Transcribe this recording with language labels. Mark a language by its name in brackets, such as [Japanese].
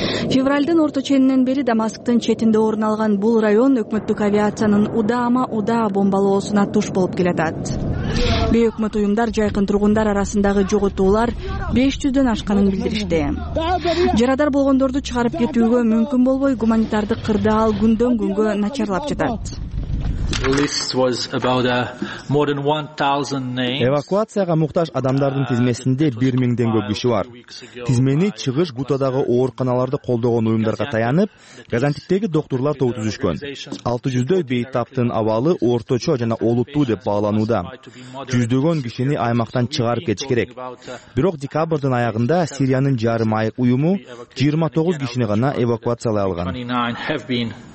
[Kyrgyz] Февральдын орто ченинен бери Дамасктын четинде орун алган бул район өкмөттүк авиациянын удаама-уда бомбалоосуна туш болуп келатат. Бейөкмөт уюмдар жайкын тургундар арасындагы жоготуулар 500 ашканын билдиришти. Жарадар болгондорду чыгарып кетүүгө мүмкүн болбой гуманитардык кырдаал күндөн күнгө начарлап жатат. [English] List was about more than 1000 names. [Kyrgyz] Эвакуацияга муктаж адамдардын тизмесинде 1000 көп киши бар. Тизмени чыгыш Гутадагы ооруканаларды колдогон уюмдарга таянып, Газантиптеги доктурлар тобу түзүшкөн. 600 бейтаптын абалы орточо жана олуттуу деп бааланууда. Жүздөгөн кишини аймактан чыгарып кетиш керек. Бирок декабрдын аягында Сириянын жарым айык уюму 29 кишини гана эвакуациялай алган.